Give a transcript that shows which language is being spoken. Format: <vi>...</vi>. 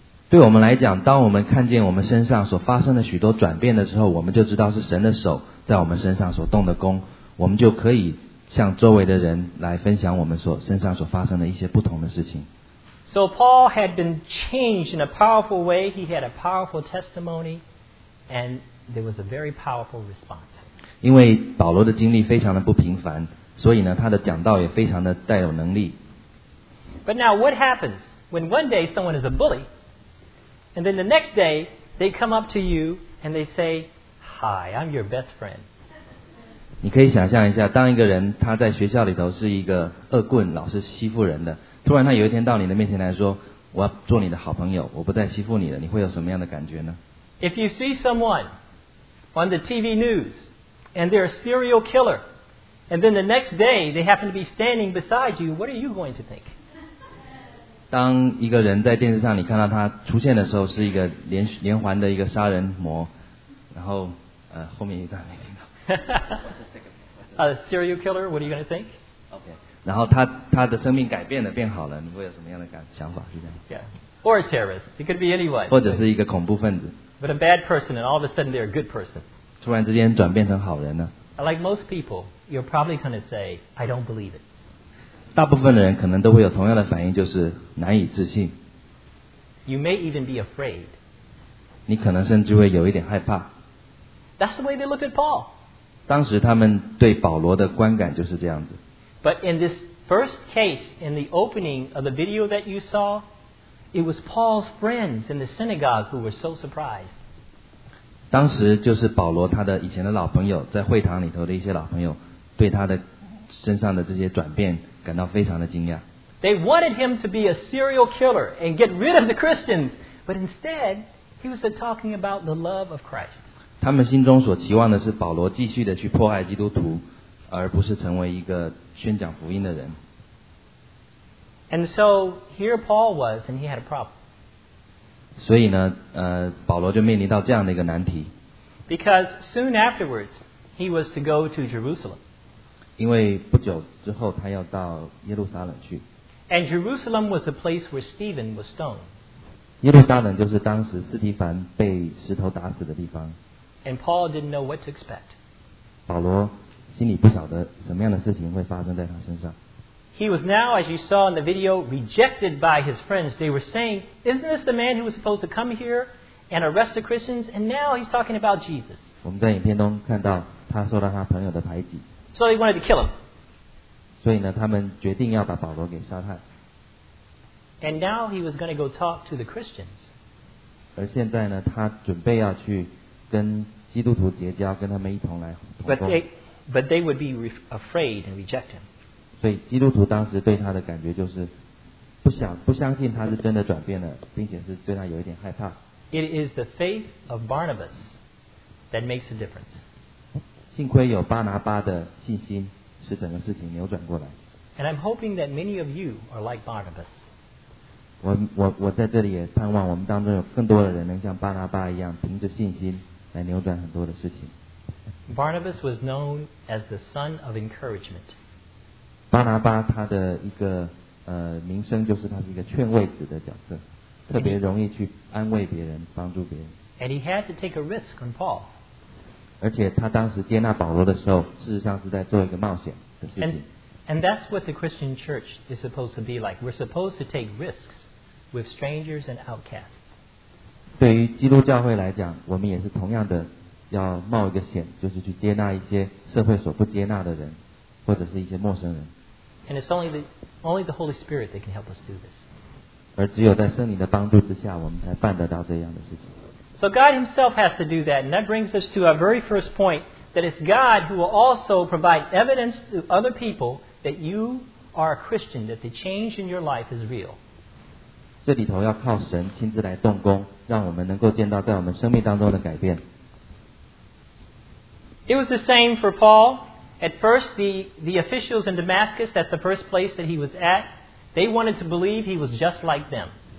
<zh>对我们来讲，当我们看见我们身上所发生的许多转变的时候，我们就知道是神的手在我们身上所动的工，我们就可以。向周围的人来分享我们所身上所发生的一些不同的事情。</zh> <en>So Paul had been changed in a powerful way. He had a powerful testimony, and there was a very powerful response.</en> <zh>因为保罗的经历非常的不平凡，所以呢，他的讲道也非常的带有能力。</zh> <en>But now, what happens when one day someone is a bully, and then the next day they come up to you and they say, "Hi, I'm your best friend."</en> <zh>你可以想象一下，当一个人他在学校里头是一个恶棍，老是欺负人的，突然他有一天到你的面前来说，我要做你的好朋友，我不再欺负你了，你会有什么样的感觉呢？</zh> <en>If you see someone on the TV news and they're a serial killer, and then the next day they happen to be standing beside you, what are you going to think?</en> <zh>当一个人在电视上你看到他出现的时候是一个 连环的一个杀人魔，然后后面一段没听到。</zh> <en>A serial killer, what are you going to think? Okay.</en> <zh>然后他的生命改变了，变好了，你会有什么样的想法？是这样。</zh> <en>Yeah. Or a terrorist. It could be anyone.</en> <zh>或者是一个恐怖分子。</zh> <en>But a bad person, and all of a sudden they're a good person.</en> <zh>突然之间转变成好人了。</zh> <en>Like most people, you're probably going to say, I don't believe it.</en> <zh>大部分的人可能都会有同样的反应，就是难以置信。</zh> <en>You may even be afraid.</en> <zh>你可能甚至会有一点害怕。</zh> <en>That's the way they look at Paul.</en> <zh>当时他们对保罗的观感就是这样子。</zh> <en>But in this first case, in the opening of the video that you saw, it was Paul's friends in the synagogue who were so surprised.</en> <zh>当时就是保罗他的以前的老朋友，在会堂里头的一些老朋友，对他的身上的这些转变感到非常的惊讶。</zh> <en>They wanted him to be a serial killer and get rid of the Christians, but instead, he was talking about the love of Christ.</en> <zh>他们心中所期望的是保罗继续的去迫害基督徒，而不是成为一个宣讲福音的人。</zh> <en>And so here Paul was, and he had a problem.</en> <zh>所以呢，保罗就面临到这样的一个难题。</zh> <en>Because soon afterwards, he was to go to Jerusalem.</en> <zh>因为不久之后，他要到耶路撒冷去。</zh> <en>And Jerusalem was the place where Stephen was stoned.</en> <zh>耶路撒冷就是当时斯提凡被石头打死的地方。</zh> <en>And Paul didn't know what to expect.</en> <zh>保罗心里不晓得什么样的事情会发生在他身上。</zh> <en>He was now, as you saw in the video, rejected by his friends. They were saying, isn't this the man who was supposed to come here and arrest the Christians? And now he's talking about Jesus.</en> <zh>我们在影片中看到他受到他朋友的排挤。</zh> <en>So they wanted to kill him.</en> <zh>所以呢，他们决定要把保罗给杀害。</zh> <en>And now he was going to go talk to the Christians.</en> <zh>而现在呢，他准备要去跟基督徒结交，跟他们一同来同工。</zh> <en>But they would be afraid and reject him.</en> <zh>所以基督徒当时对他的感觉就是不相信他是真的转变了，并且是对他有一点害怕。</zh> <en>It is the faith of Barnabas that makes a difference.</en> <zh>幸亏有巴拿巴的信心使整个事情扭转过来。</zh> <en>And I'm hoping that many of you are like Barnabas.</en> <zh>我在这里也盼望我们当中有更多的人能像巴拿巴一样凭着信心来扭转很多的事情。</zh> <en>Barnabas was known as the son of encouragement.</en> <zh>巴拿巴他的一个名声就是他是一个劝慰者的角色，特别容易去安慰别人，帮助别人。</zh> <en>And he had to take a risk on Paul.</en> <zh>而且他当时接纳保罗的时候，事实上是在做一个冒险的事情。</zh> <en>And that's what the Christian church is supposed to be like. We're supposed to take risks with strangers and outcasts.</en> <zh>对于基督教会来讲，我们也是同样的。要冒一个险，就是去接纳一些社会所不接纳的人，或者是一些陌生人。</zh> <en>And it's only the Holy Spirit that can help us do this.</en> <zh>而只有在圣灵的帮助之下，我们才办得到这样的事情。</zh> <en>So God Himself has to do that, and that brings us to our very first point, that it's God who will also provide evidence to other people that you are a Christian, that the change in your life is real.</en> <zh>这里头要靠神亲自来动工，让我们能够见到在我们生命当中的改变。</zh> <en>It was the same for Paul. At first, the officials in Damascus, that's the first place that he was at, they wanted to believe he was just like them.</en>